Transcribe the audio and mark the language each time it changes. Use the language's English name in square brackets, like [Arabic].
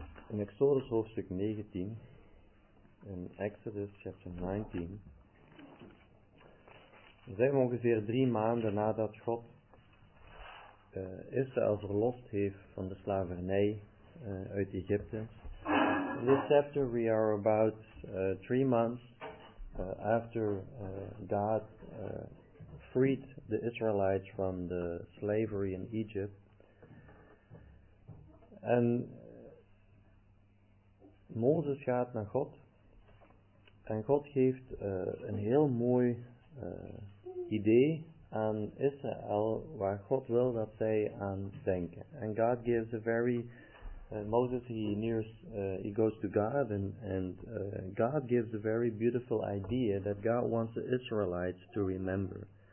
[Dutch] In Exodus hoofdstuk 19 en [English] Exodus chapter 19 [Dutch] zijn we ongeveer 3 maanden nadat God Israël verlost heeft van de slavernij uit Egypte. [English] In this chapter we are about 3 months after God freed the Israelites from the slavery in Egypt. [Dutch] En Mozes gaat naar God en God geeft een heel mooi idee aan Israël waar God wil dat zij aan denken. [English] And God gives a very Moses he goes to God and God gives a very beautiful idea that God wants the Israelites to remember.